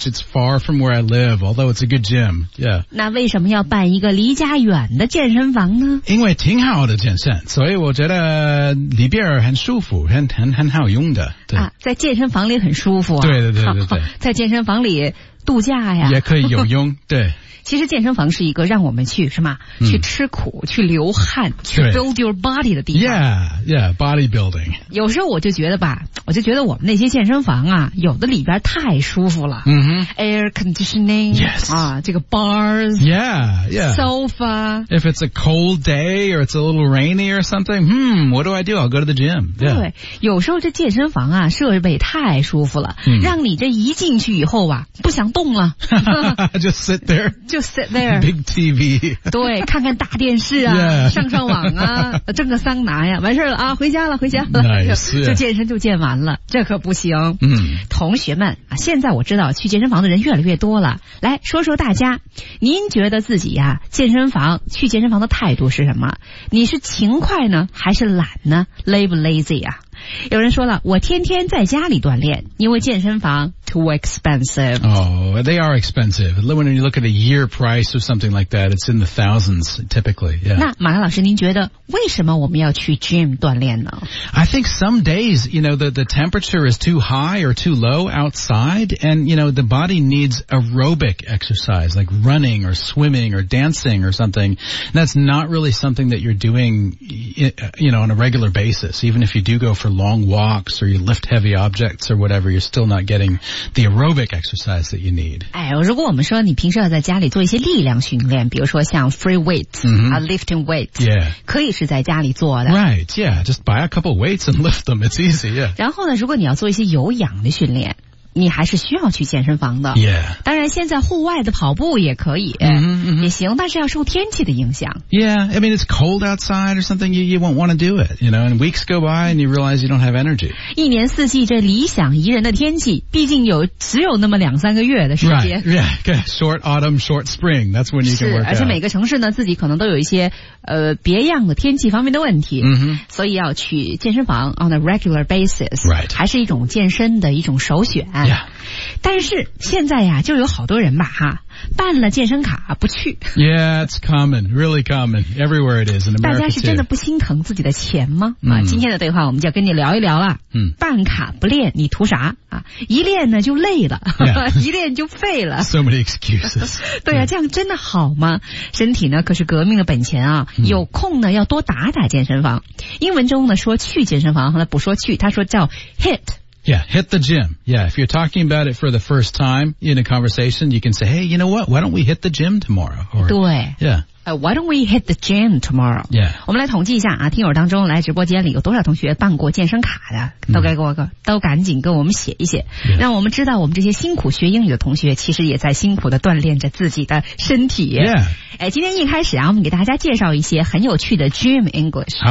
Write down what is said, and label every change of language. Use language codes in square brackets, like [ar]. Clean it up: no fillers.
[en] It's far from where I live, although it's a good gym. Yeah. [zh] 那为什么要办一个离家远的健身房呢？因为挺好的健身，所以我觉得里边很舒服，很好用的。对啊，在健身房里很舒服、啊。对对对对对，在健身房里度假呀，也可以有用。对，其实健身房是一个让我们去什么、嗯？去吃苦，去流汗，去 [en] build your body [zh] 的地方。 [en] Yeah, body building. [zh] 有时候我就觉得吧。我就觉得我们那些健身房啊，有的里边太舒服了。嗯哼 [en] ，air conditioning， yes， [zh] 啊，这个 bars， [en] yeah， yeah， sofa。 If it's a cold day or it's a little rainy or something， what do I do？ I'll go to the gym、yeah.。 [zh] 对，有时候这健身房啊，设备太舒服了， mm-hmm. 让你这一进去以后吧、啊，不想动了。 [en] Just sit there。 Just sit there。 Big TV。 [zh] 对，看看大电视啊， [en] yeah. [zh] 上上网啊，蒸个桑拿呀、啊，完事了啊，回家了，回家了， [en] nice, [zh] 就健身就健完。这可不行、嗯、同学们现在我知道去健身房的人越来越多了，来说说大家您觉得自己啊健身房去健身房的态度是什么，你是勤快呢还是懒呢 ?Lay 不 lazy 啊，有人说了我天天在家里锻炼，因为健身房 [en] too expensive。 Oh, they are expensive. When you look at a year price or something like that, it's in the thousands typically.、Yeah. [zh] 那马克老师您觉得为什么我们要去 gym 锻炼呢？ [en] I think some days, you know, the temperature is too high or too low outside and, you know, the body needs aerobic exercise like running or swimming or dancing or something. And that's not really something that you're doing, you know, on a regular basis. Even if you do go for long walks or you lift heavy objects or whatever, you're still not getting the aerobic exercise that you need. [zh] 哎，如果我们说你平时要在家里做一些力量训练，比如说像 free weights,、 mm-hmm. [en] lifting weights,、 yeah. [zh] 可以是在家里做的。 [en] Right, yeah, just buy a couple weights and lift them, it's easy, yeah. [zh] 然后呢，如果你要做一些有氧的训练，你还是需要去健身房的。 [en] Yeah. [zh] 当然现在户外的跑步也可以、 mm-hmm. 也行，但是要受天气的影响。 [en] Yeah, I mean, it's cold outside or something, you won't want to do it, you know, and weeks go by and you realize you don't have energy. [zh] 一年四季这理想宜人的天气毕竟有只有那么两三个月的时间。 [en] Right, yeah, okay, short autumn, short spring, that's when you can work out. [zh] 而且每个城市呢自己可能都有一些别样的天气方面的问题、 mm-hmm. 所以要去健身房 [en] on a regular basis、 right. [zh] 还是一种健身的一种首选、 [en] yeah. [zh] 但是现在呀就有好多人吧哈，办了健身卡不去。 [en] Yeah, it's common, really common. Everywhere it is in America. [zh] 大家是真的不心疼自己的钱吗、 mm. 啊、今天的对话我们就跟你聊一聊了、 mm. 办卡不练你图啥、啊、一练呢就累了、 [en] yeah. [zh] 一练就废了。 [en] So many excuses. [zh] 对呀、啊，这样真的好吗？身体呢可是革命的本钱啊，有空呢要多打打健身房。英文中呢说去健身房，不说去，他说叫 hit。 [en] Yeah, hit the gym. Yeah, if you're talking about it for the first time in a conversation, you can say, hey, you know what? Why don't we hit the gym tomorrow? Or, 对。 Yeah. Why don't we hit the gym tomorrow? Yeah. [zh] 我们来统计一下啊，听友当中来直播间里有多少同学办过健身卡的，都该给我个、mm. 都赶紧跟我们写一写、 [en] yeah. [zh] 让我们知道我们这些辛苦学英语的同学其实也在辛苦的锻炼着自己的身体。 [en] Yeah. [zh] 今天一开始啊我们给大家介绍一些很有趣的 gym English。